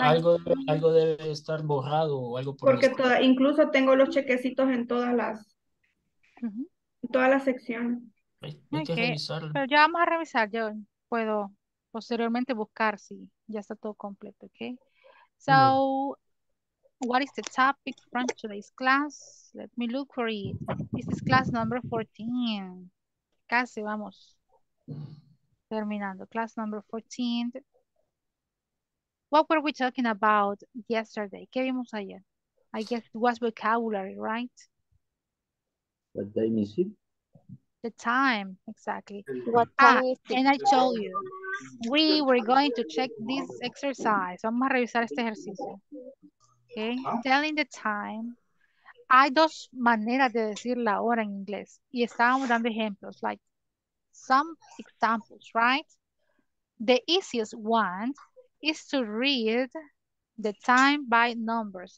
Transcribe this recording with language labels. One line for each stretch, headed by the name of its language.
Spanish: Algo debe estar borrado o algo por porque toda, incluso tengo los chequecitos en todas las todas las secciones. Hay que revisarlo. Pero ya vamos a revisar, yo puedo posteriormente buscar si ya está todo completo, ¿okay?
English: So what is the topic from today's class? Let me look for it. This is class number 14.
Spanish: Casi vamos terminando.
English: Class number 14. What were we talking about yesterday?
Spanish: ¿Qué vimos ayer?
English: I guess it was vocabulary, right? What time is it? The time, exactly. What time is it? And I told you, we were going to check this exercise.
Spanish: Vamos a revisar este ejercicio.
English: Okay. Telling the time.
Spanish: Hay dos maneras de decir la hora en inglés. Y estábamos dando ejemplos,
English: like some examples, right? The easiest one is to read the time by numbers.